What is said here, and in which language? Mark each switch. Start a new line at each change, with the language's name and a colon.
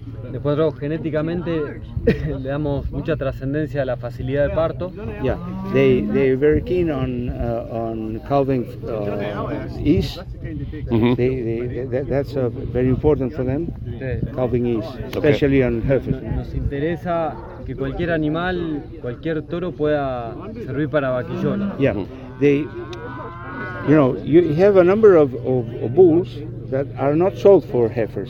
Spanish: Después nosotros genéticamente le damos mucha trascendencia a la facilidad de parto.
English: Yeah, they are very keen on calving ease. Mm-hmm. That's very important for them.
Spanish: Sí.
English: Calving ease, especially okay. on Herefords.
Spanish: Nos interesa que cualquier animal, cualquier toro pueda servir para vaquillona.
English: Yeah, you have a number of bulls that are not sold for heifers,